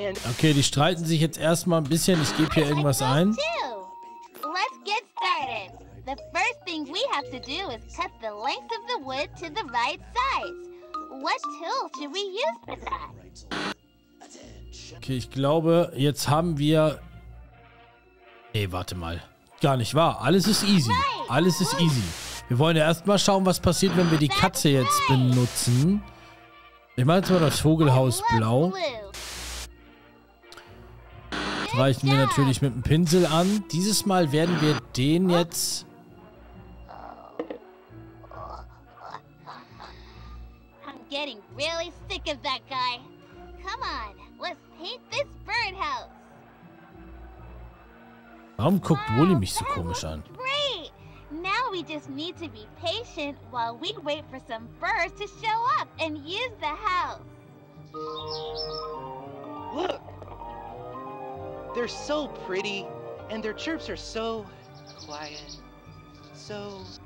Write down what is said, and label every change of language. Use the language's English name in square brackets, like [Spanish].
[German] Okay, die streiten sich jetzt erstmal ein bisschen. Ich gebe hier irgendwas ein. [English] Let's get started. The first thing we have to do is cut the length of the wood to the right size. What tool should we use for that? [German] Okay, ich glaube, jetzt haben wir... Nee, warte mal. Gar nicht wahr. Alles ist easy. Alles ist easy. Wir wollen ja erstmal schauen, was passiert, wenn wir die Katze jetzt benutzen. Ich mache jetzt mal das Vogelhaus blau. Das reichen wir natürlich mit dem Pinsel an. Dieses Mal werden wir den jetzt... [English] Getting really sick of that guy. Come on, let's paint this birdhouse. [German] Warum guckt Willy mich so komisch an? [English] Great. Now we just need to be patient while we wait for some birds to show up and use the house. Look, they're so pretty, and their chirps are so quiet, so.